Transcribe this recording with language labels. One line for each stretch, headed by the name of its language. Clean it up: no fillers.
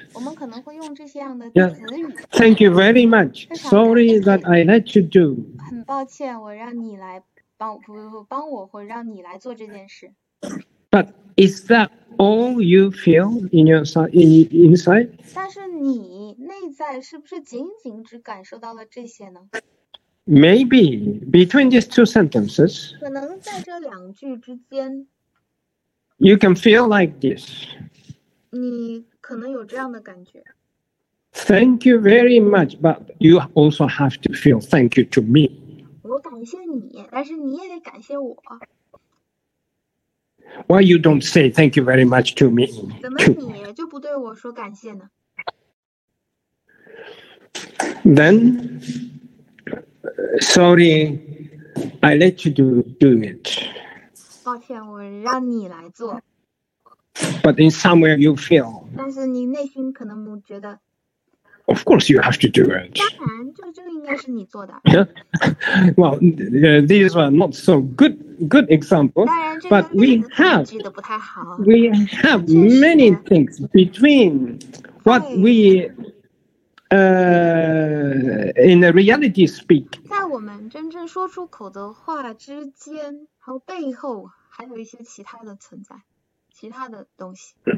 Chinese: 我们可能会用这些样的词语。
English: Yeah. Thank you very much. Sorry that I let you do.
Chinese: 很抱歉，我让你来帮我或让你来做这件事。
English: But is that all you feel in inside?
Chinese: 但是你内在是不是仅仅只感受到了这些呢？
English: Maybe between these two sentences.
Chinese: 可能在这两句之间。
English: You can feel like this.
Chinese: 你可能有这样的感觉。
English: Thank you very much, but you also have to feel thank you to me.
Chinese: 我感谢你，但是你也得感谢我。
English: Why you don't say thank you very much to me?
Chinese: 怎么你就不对我说感谢呢？
English: Then, sorry, I let you do it.
Chinese: 抱歉，我让你来做。
English: But in somewhere you feel.
Chinese: 但是你内心可能觉得。
English: Of course, you have to do it.
Chinese: 当然，这应该是你做的。
English: Well, these are not so good example.
Chinese: 当然，
English: but we have
Chinese: 举的不太好。
English: We have many things between what we in the reality speak.
Chinese: 在我们真正说出口的话之间和背后，还有一些其他的存在，其他的东西。